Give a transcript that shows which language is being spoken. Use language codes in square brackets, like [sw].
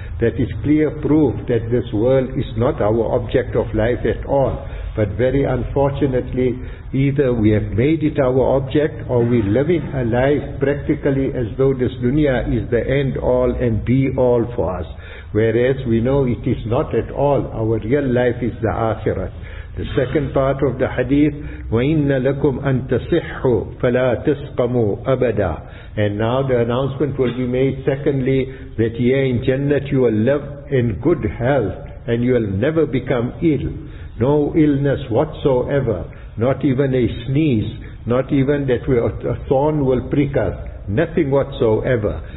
[en] That is clear proof that this world is not our object of life at all. But very unfortunately, either we have made it our object, or we live in a life practically as though this dunya is the end all and be all for us. Whereas we know it is not at all. Our real life is the akhirah. The second part of the hadith, [ar] وَإِنَّ لَكُمْ أَن تَصِحُّوا فَلَا تَسْقَمُوا أَبَدًا. [en] And now the announcement will be made secondly, that here in Jannah you will live in good health and you will never become ill. No illness whatsoever, not even a sneeze, not even that a thorn will prick us, nothing whatsoever.